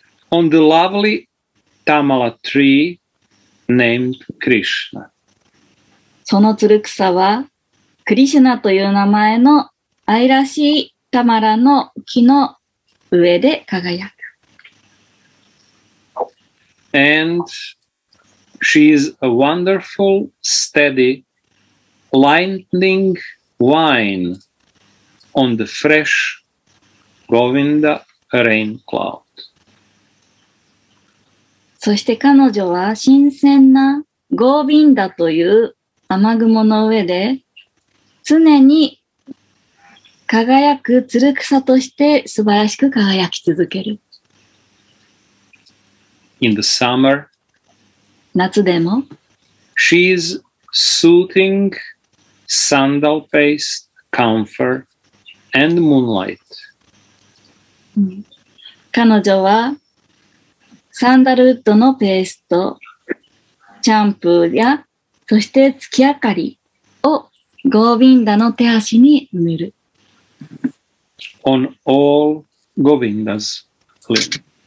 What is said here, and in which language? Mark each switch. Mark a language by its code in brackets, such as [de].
[en] On the lovely Tamala tree named Krishna. [ja] そのつる草はクリシュナという名前の愛らしいタマラの木の上で輝く。 [en] And she is a wonderful, steady, lightning vine on the fresh Govinda rain cloud. [ja] そして彼女は新鮮なゴービンダという雨雲の上で常に輝くつる草として素晴らしく輝き続ける。 [en] In the summer, [ja] 夏でも [en] She is soothing sandal paste, camphor and moonlight. [ja] 彼女はサンダルウッドのペーストシャンプーやそして月明かりをゴービンダの手足に塗る。 [en] On all Govinda's limbs.